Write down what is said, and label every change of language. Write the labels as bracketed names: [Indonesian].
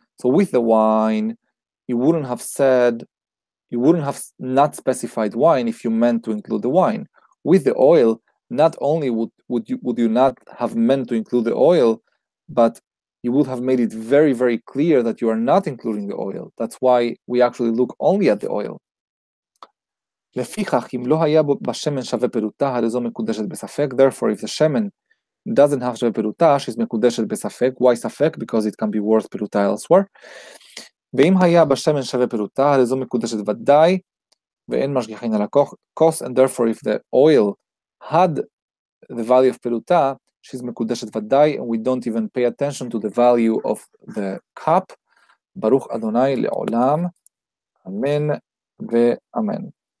[English] So with the wine, you wouldn't have not specified wine if you meant to include the wine. With the oil, not only would you not have meant to include the oil, but you would have made it very, very clear that you are not including the oil. That's why we actually look only at the oil. [Hebrew] לפיכך, אם לא היה בשמן שווה פירוטה, הרי זו מקודשת בספק. [English] Therefore, if the shemen doesn't have שווה פירוטה, she's מקודשת בספק. Why ספק? Because it can be worth פירוטה elsewhere. [Hebrew] ואם היה בשמן שווה פירוטה, הרי זו מקודשת ודאי, ואין משגיחין על הכוס. [English] And therefore, if the oil had the value of peruta, She's mekudeshet vaday, and we don't even pay attention to the value of the cup. [Hebrew] Baruch Adonai le'olam. Amen ve'amen.